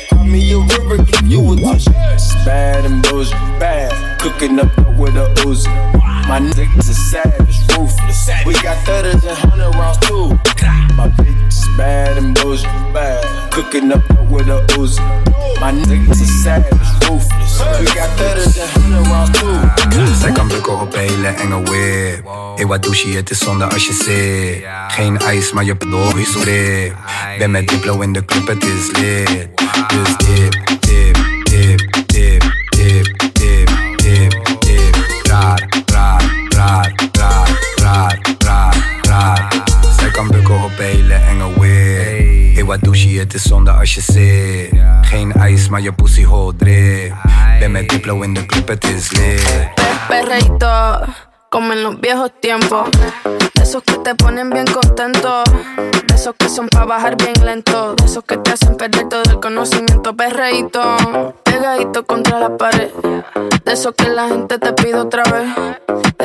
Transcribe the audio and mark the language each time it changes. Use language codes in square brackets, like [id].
[en] Call me a river, give you a touch. Bad and bullshit, bad. Cooking up dope with a Uzi. My niggas are savage, ruthless. We got 30s and 100 rounds too. My bitch is bad and bullshit, bad. Cooking up with a Uzi. My niggas are savage, ruthless. We got 30s and 100 rounds too. [nl] Zij kan bukken op hele enge whip. Ewa douche, het is zonde als je zit. Geen ijs, maar je pedoor is rip. Ben met Diplo in de club, het is lit. [en] Dus dip, dip, dip, dip, dip, dip, dip, dip. [nl] Raar, raar, raar, raar, raar, raar, raar. Zij kan bukken op hele enge whip. Ewa douche, het is zonde als je zit. Geen ijs, maar je pussy hoort drip. Ben met Diplo in de club, het is lit. [es] Perreito, como en los viejos tiempos. De esos que te ponen bien contento. De esos que son pa' bajar bien lento. De esos que te hacen perder todo el conocimiento. Perreito, pegadito contra la pared. De esos que la gente te pide otra vez. De